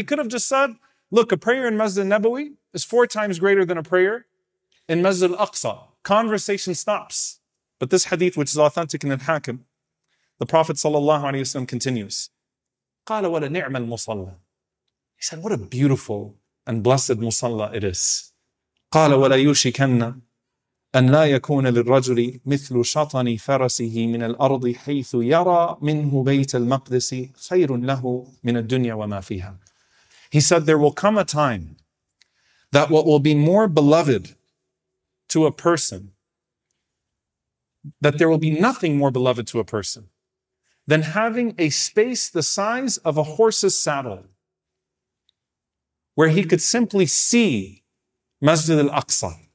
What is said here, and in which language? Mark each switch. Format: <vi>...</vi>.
<en>He could have just said, look, a prayer in Masjid al-Nabawi is four times greater than a prayer in Masjid al-Aqsa. Conversation stops. But this hadith, which is authentic in al-Hakim, the Prophet ﷺ continues,</en> <ar>قَالَ وَلَا نِعْمَ الْمُصَلَّى.</ar> <en>He said, what a beautiful and blessed musalla it is.</en> <ar>قَالَ وَلَا يُشِكَنَّ أن لا يكون للرجل مثل شطن فرسه من الأرض حيث يرى منه بيت المقدس خير له من الدنيا وما فيها.</ar> <en>He said, there will come a time that what will be more beloved to a person, that there will be nothing more beloved to a person than having a space the size of a horse's saddle where he could simply see Masjid al-Aqsa.</en>